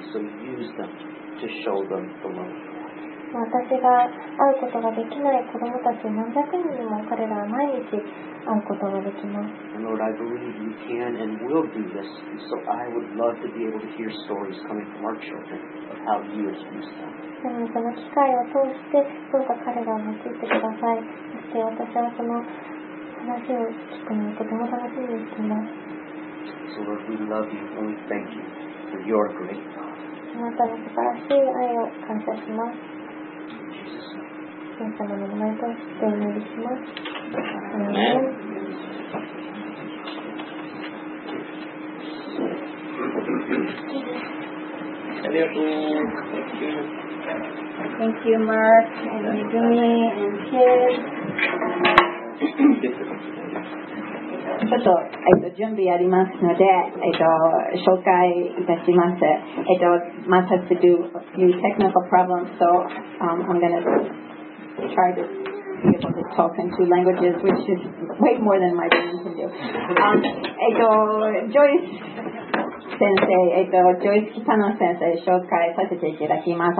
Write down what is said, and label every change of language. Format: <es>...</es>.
<en>So use them to show them the love.</en> <ja>私が会うことができない子どもたち何百人にも彼らは毎日会うことができます。</ja> <en>Lord, I believe you can and will do this, so I would love to be able to hear stories coming from our children of how you have used them.</en> <ja>その機会を通してどうか彼らを用いてください。そして私はその話を聞くのをとても楽しみにしています。</ja> <en>So Lord, we love you and we thank you for your great love.</en> <ja>あなたの素晴らしい愛を感謝します。神様の名前としてお願いします。アーメン。ありがとう。</ja> <en>Thank you, Mark, and Megumi, and Kid.</en> <ja>ちょっと、準備ありますので、紹介いたします。</ja> <en>Must have to do a few technical problems, so、I'm going to try to be able to talk in two languages, which is way more than my brain can do.</en> <ja>Joyce先生、Joyce Kitano先生、紹介させていただきます。</ja>